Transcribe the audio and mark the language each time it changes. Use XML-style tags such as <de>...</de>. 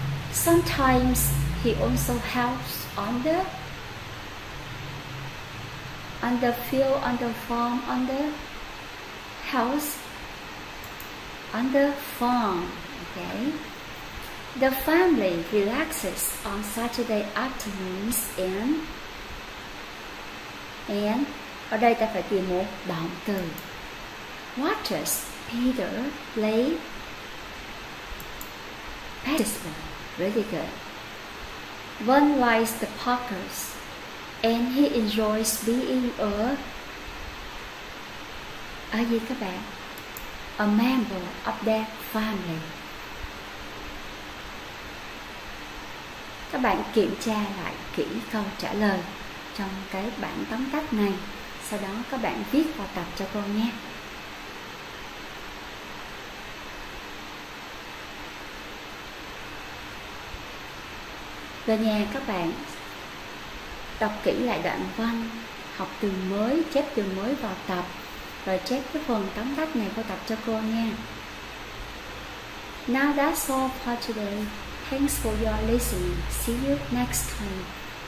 <en>Sometimes he also helps on the field, on the farm, on the house, on the farm. Okay. The family relaxes on Saturday afternoons and</en> <vi>ở đây ta phải tìm một động từ.</vi> <en>Watches Peter play basketball. Really good. Vern likes the Parkers and he enjoys being a</en> <vi>gì các bạn?</vi> <en>A member of their family.</en> <vi>Các bạn kiểm tra lại kỹ câu trả lời trong cái bản tóm tắt này. Sau đó các bạn viết vào tập cho cô nhé. Về nhà các bạn đọc kỹ lại đoạn văn, học từ mới, chép từ mới vào tập, rồi chép cái phần tóm tắt này vào tập cho cô nha.</vi> <en>Now that's all for today. Thanks for your listening. See you next time.</en>